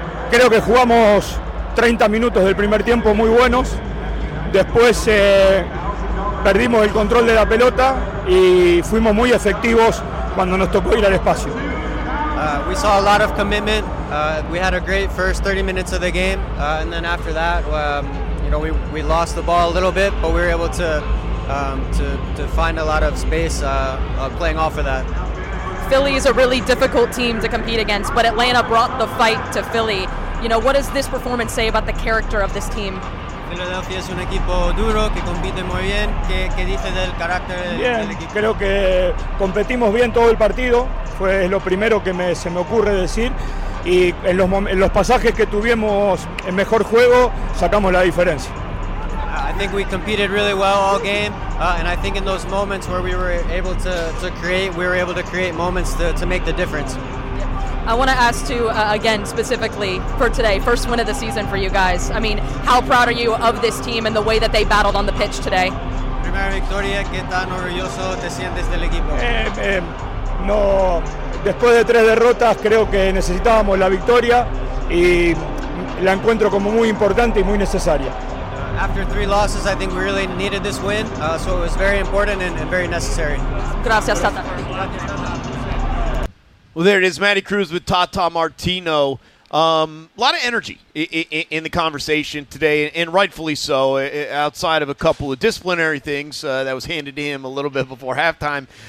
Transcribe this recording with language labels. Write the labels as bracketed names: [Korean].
[Spanish] Creo que jugamos 30 minutos del primer tiempo muy buenos, después perdimos el control de la pelota y fuimos muy efectivos cuando nos tocó ir al espacio. [English] We saw a lot of commitment. We had a great first 30 minutes of the game, and then after that, we lost the ball a little bit, but we were able to find a lot of space playing off of that. Philly is a really difficult team to compete against, but Atlanta brought the fight to Philly. You know, what does this performance say about the character of this team? [Spanish] Philadelphia es un equipo duro que compite muy bien. ¿Qué dice del carácter del equipo? Creo que competimos bien todo el partido. Fue lo primero que se me ocurre decir. Y en los pasajes que tuvimos el mejor juego, sacamos la diferencia. [English] I think we competed really well all game. And I think in those moments where we were able to create, we were able to create moments to make the difference. I want to ask too, again, specifically for today, first win of the season for you guys. I mean, how proud are you of this team and the way that they battled on the pitch today? [Spanish] primera victoria. ¿Qué tan orgulloso te sientes del equipo? No, después de tres derrotas creo que necesitábamos la victoria y la encuentro como muy importante y muy necesaria. [English] After three losses, I think we really needed this win, so it was very important and very necessary. [Spanish] Gracias, Tata. [English] Well, there it is, Matty Cruz with Tata Martino. A lot of energy in the conversation today, and rightfully so, outside of a couple of disciplinary things that was handed to him a little bit before halftime.